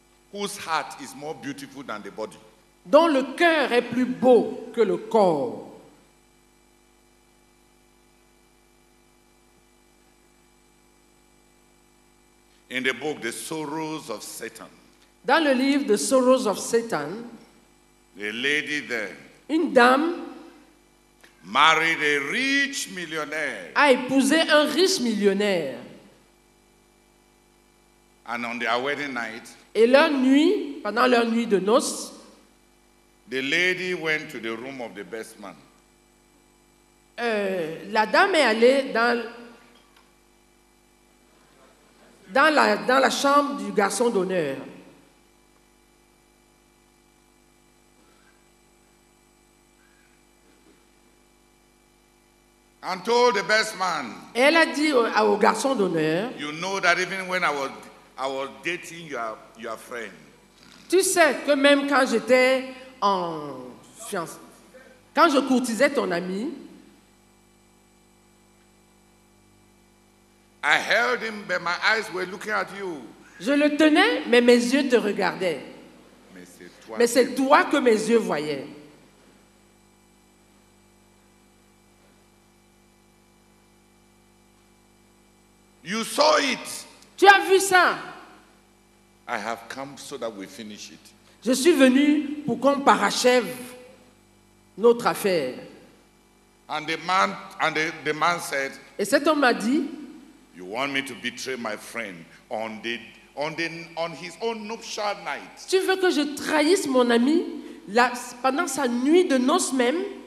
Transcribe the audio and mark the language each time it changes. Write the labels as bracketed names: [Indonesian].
[English] Whose heart is more beautiful than the body. [French] Dont le cœur est plus beau que le corps. [English] In the book, The Sorrows of Satan. [French] Dans le livre, The Sorrows of Satan. [English] The lady there. [French] Une dame. [English] married a rich millionaire. [French] A épousé un riche millionnaire. [English] And on their wedding night, [French] et leur nuit, pendant leur nuit de noces, [English] the lady went to the room of the best man. [French] La dame est allée dans la chambre du garçon d'honneur. [English] And told the best man, [French] elle a dit au garçon d'honneur, [English] you know that even when I was dating your friend, [French] tu sais que même quand j'étais en fiancé, quand je courtisais ton ami, [English] I held him, but my eyes were looking at you. [French] Je le tenais, mais mes yeux te regardaient. Mais c'est toi que mes yeux voyaient. [English] You saw it. [French] Tu as vu ça. [English] I have come so that we finish it. [French] Je suis venu pour qu'on parachève notre affaire. [English] And the man said, [French] et cet homme m'a dit, [English] you want me to betray my friend on his own nuptial night? [French] Tu veux que je trahisse mon ami pendant sa nuit de noces même?